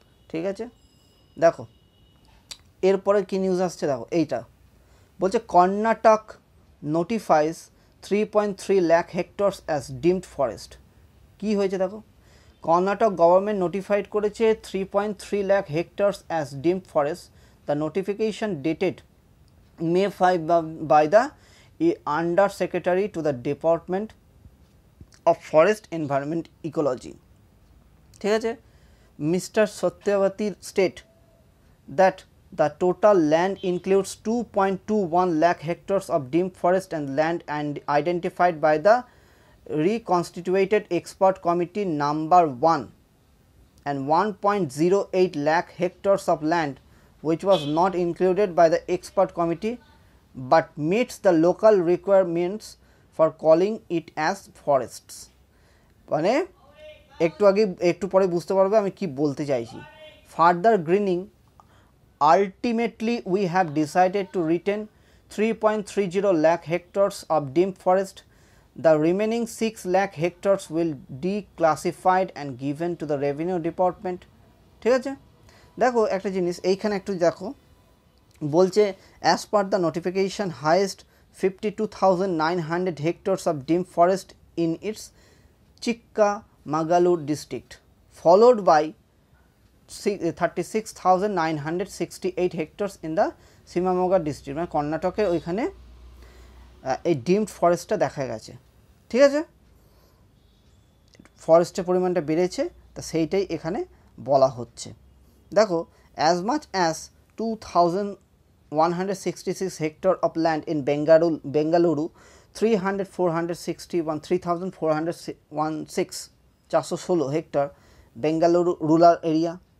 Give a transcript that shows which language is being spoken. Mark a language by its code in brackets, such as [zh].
[en] ঠিক আছে দেখো এরপরে কী নিউজ আসছে দেখো এইটা বলছে Karnataka notifies 3.3 lakh hectares as deemed forest কী হয়েছে দেখো কর্ণাটক গভর্নমেন্ট নোটিফাইড করেছে 3.3 lakh hectares as deemed forest the notification dated May 5 by the E under secretary to the department of forest environment ecology ঠিক আছে mister Satyavati state that the total land includes 2.21 lakh hectares of deem forest and land and identified by the reconstituted expert committee number 1 and 1.08 lakh hectares of land which was not included by the expert committee but meets the local requirements for calling it as forests. [bn] মানে একটু আগে একটু পরে বুঝতে পারবে আমি কি বলতে চাইছি. [en] Further greening, ultimately we have decided to retain 3.30 lakh hectares of deemed forest. The remaining 6 lakh hectares will declassified and given to the revenue department. ঠিক আছে, দেখো একটা জিনিস এইখানে একটু দেখো, বলছে as per the notification highest 52,900 hectares of deemed forest in its Chikkamagalur district followed by 36,968 hectares in the Shivamogga district. [bn] মানে কর্ণাটকে ওইখানে এই ডিমড ফরেস্টটা দেখা গেছে. ঠিক আছে, ফরেস্টের পরিমাণটা বেড়েছে তা সেইটাই এখানে বলা হচ্ছে. [en] দেখো as much as 2,166 hectare of land in Bengaluru 3,416 hectare Bengaluru rural area.